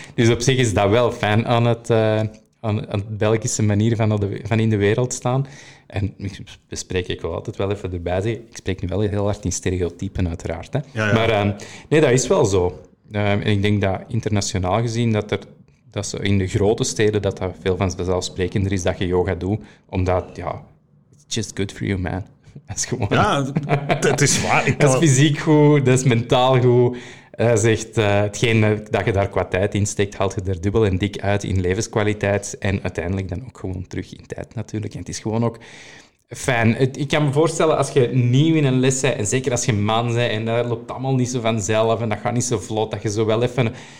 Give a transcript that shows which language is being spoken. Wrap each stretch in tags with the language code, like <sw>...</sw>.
<nl>Dus op zich is dat wel fijn aan het Belgische manier van in de wereld staan. En bespreek ik wel altijd wel even erbij. Ik spreek nu wel heel hard in stereotypen, uiteraard. Hè. Ja, ja. Maar dat is wel zo. En ik denk dat internationaal gezien, dat ze in de grote steden, dat veel vanzelfsprekender is dat je yoga doet. Omdat,</nl> <en>it's just good for you, man.</en> <nl>Dat is gewoon... Ja, dat is waar. Dat is fysiek goed, dat is mentaal goed. Hij zegt, hetgeen dat je daar qua tijd in steekt, haalt je er dubbel en dik uit in levenskwaliteit en uiteindelijk dan ook gewoon terug in tijd natuurlijk. En het is gewoon ook Fijn. Ik kan me voorstellen, als je nieuw in een les bent, en zeker als je man bent, en dat loopt allemaal niet zo vanzelf, en dat gaat niet zo vlot, dat je zo wel even...</nl>